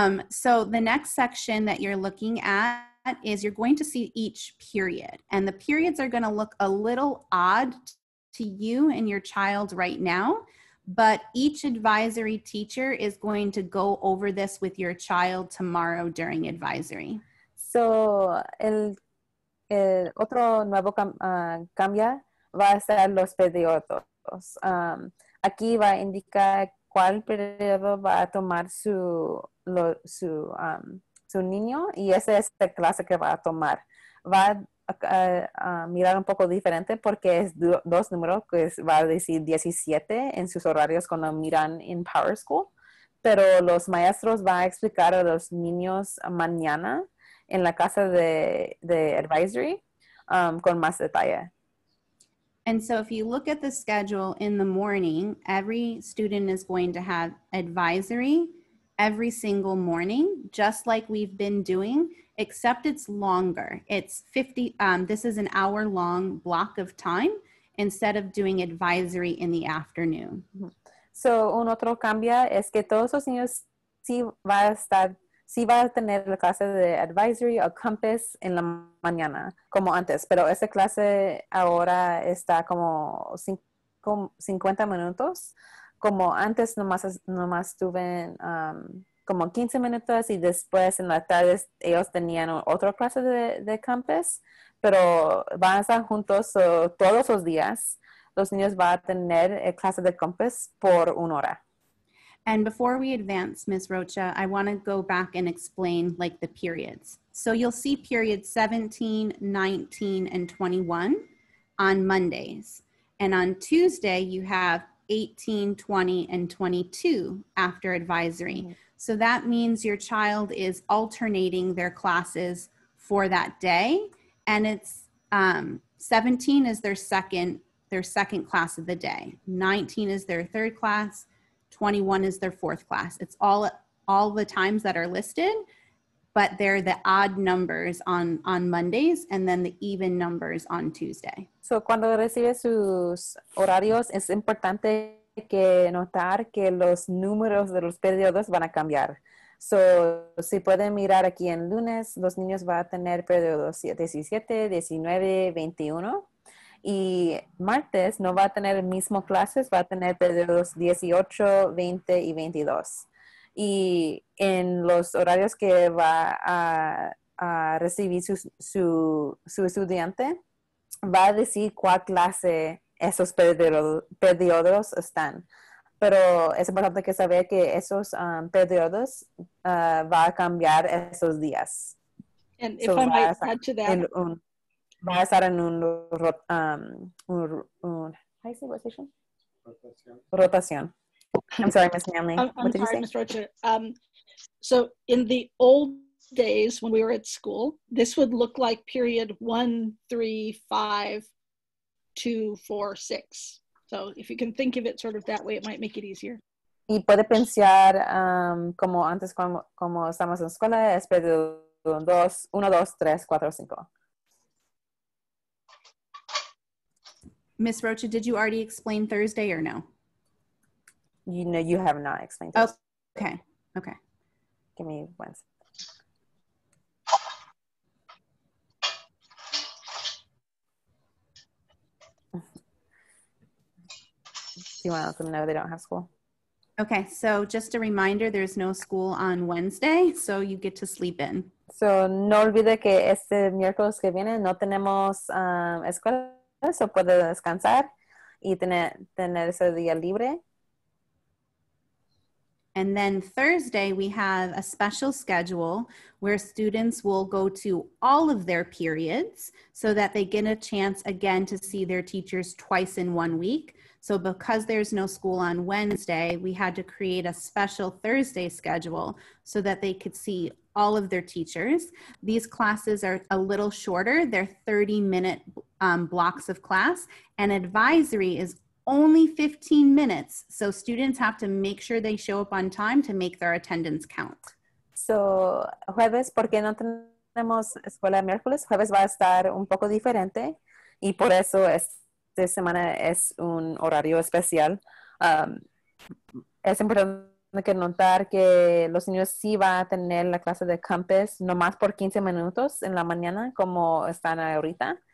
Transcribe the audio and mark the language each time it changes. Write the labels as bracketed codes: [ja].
[en] So the next section that you're looking at is you're going to see each period, and the periods are going to look a little odd to you and your child right now, but each advisory teacher is going to go over this with your child tomorrow during advisory. [es] So el otro nuevo cambia va a ser los periodos. Aquí va a indicar cuál periodo va a tomar su niño, y esa es la clase que va a tomar. Va a mirar un poco diferente porque es dos números, que pues va a decir 17 en sus horarios cuando miran en Power School, pero los maestros van a explicar a los niños mañana en la casa de advisory con más detalle. [en] And so if you look at the schedule in the morning, every student is going to have advisory every single morning, just like we've been doing, except it's longer. It's 50, this is an hour long block of time instead of doing advisory in the afternoon. [es] So, un otro cambia es que todos los niños sí va a estar, sí va a tener la clase de advisory o compass en la mañana, como antes, pero esa clase ahora está como 50 minutos. Como antes nomás tuven como 15 minutos y después en la tarde ellos tenían otra clase de campus, pero van a estar juntos todos los días. Los niños van a tener clase de campus por una hora. [en] And before we advance, Ms. Rocha, I want to go back and explain like the periods. So you'll see periods 17, 19, and 21 on Mondays. And on Tuesday, you have 18, 20, and 22 after advisory. So that means your child is alternating their classes for that day. And it's 17 is their second class of the day. 19 is their third class. 21 is their fourth class. It's all the times that are listed, but they're the odd numbers on Mondays and then the even numbers on Tuesday. [es] So cuando recibe sus horarios, es importante que notar que los números de los periodos van a cambiar. So si pueden mirar aquí en lunes, los niños van a tener periodos 17, 19, 21. Y martes no va a tener el mismo clases, va a tener periodos 18, 20 y 22. y en los horarios que va a recibir su estudiante, va a decir cuál clase esos periodos están. Pero es importante que saber que esos periodos va a cambiar esos días. [en] And if so I might add to that. [es] Va a estar en un rotación. [en] How do you say rotation? Rotación. I'm sorry, Ms. Manley. I'm sorry, Ms. Rocha. So in the old days when we were at school, this would look like period 1, 3, 5, 2, 4, 6. So if you can think of it sort of that way, it might make it easier. [es] Y puede pensar como antes como estamos en escuela, es periodo 1, 2, 3, 4, 5. [en] Ms. Rocha, did you already explain Thursday or no? You have not explained this. Okay. Give me one second. Do you want to let them know they don't have school? Okay, so just a reminder, there's no school on Wednesday, so you get to sleep in. [es] So no olvide que este miércoles que viene no tenemos escuela, so puede descansar y tener ese día libre. [en] And then Thursday, we have a special schedule where students will go to all of their periods so that they get a chance again to see their teachers twice in 1 week. So because there's no school on Wednesday, we had to create a special Thursday schedule so that they could see all of their teachers. These classes are a little shorter. They're 30-minute blocks of class, and advisory is only 15 minutes, so students have to make sure they show up on time to make their attendance count. [es] So, jueves, porque no tenemos escuela miércoles, jueves va a estar un poco diferente, y por eso esta semana es un horario especial. Es importante que notar que los niños sí va a tener la clase de campus nomás por 15 minutos en la mañana, como están ahorita.